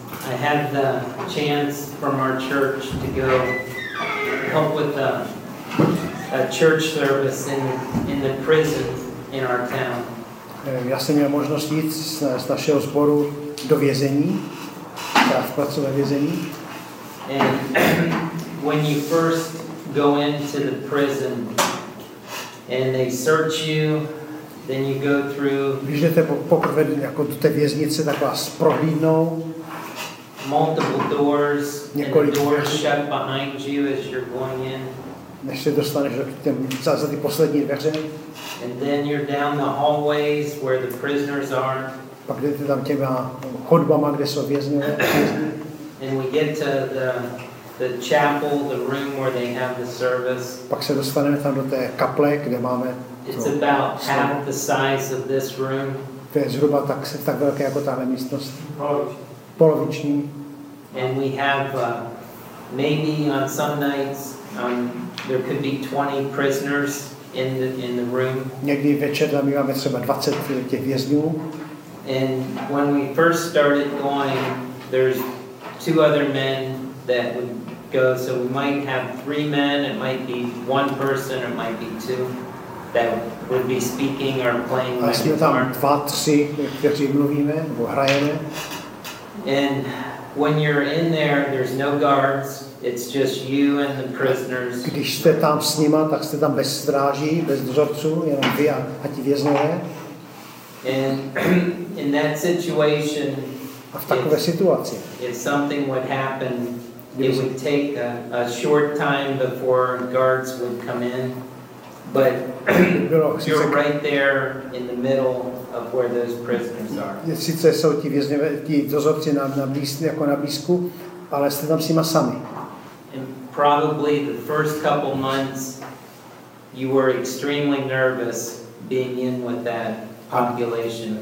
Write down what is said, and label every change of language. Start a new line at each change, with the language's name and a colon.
English: I had the chance from our church to go help with a church service in the prison in our town.
Czech: Já jsem měl možnost jít z našeho sboru do vězení, která zpracovala vězení.
English: And when you first go into the prison and they search you, then you go through.
Czech: Když jdete poprvé jako do té věznice, tak vás prohlídnou.
English: Multiple doors and the doors shut behind you as you're going in.
Czech: Než se dostaneš za ty poslední dveře.
English: And then you're down the hallways where the prisoners are.
Czech: Pak jdete tam těma chodbama, kde jsou vězňové.
English: And we get to the chapel, the room where they have the service.
Czech: Pak se dostaneme tam do té kaple, kde máme.
English: It's about half the size of this room.
Czech: To je zhruba tak velké jako tahle místnost. Poloviční.
English: And we have maybe on some nights there could be 20 prisoners. In the room.
Czech: Někdy večer tam máme třeba 20 těch vězňů.
English: And when we first started going, there's two other men that would go, so we might have three men, it might be one person, it might be two that would be speaking or playing.
Czech: A jsme tam dva, tři, kteří mluvíme nebo hrajeme.
English: And when you're in there, there's no guards. It's just you and the prisoners.
Czech: Když jste tam s nima, tak jste tam bez stráží, bez dozorců, jenom vy a ti vězňové.
English: In that situation,
Czech: a v takové situaci,
English: if something would happen, it would take a short time before guards would come in. But you're right there in the middle of where those prisoners are.
Czech: Sice jsou ti vězňové, ti dozorci na blízku, ale jste tam s nima sami.
English: Probably the first couple months you were extremely nervous being in with that population.